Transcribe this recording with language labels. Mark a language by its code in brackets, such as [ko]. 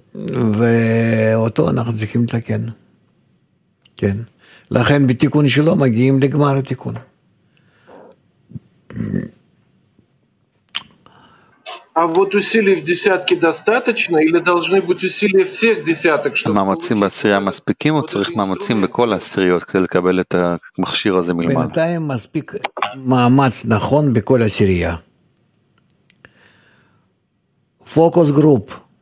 [he] ואותו אנחנו צריכים לתקן. כן. לכן בתיקון שלו מגיעים לגמר התיקון. [ru] А вот усилий в десятке достаточно или должны быть усилия всех десяток, чтобы [he] מאמצים בעשירייה מספיקים או צריך מאמצים בכל העשיריות כדי לקבל את המכשיר הזה מלמעלה? בינתיים מספיק מאמץ נכון בכל העשירייה. פוקוס גרופ.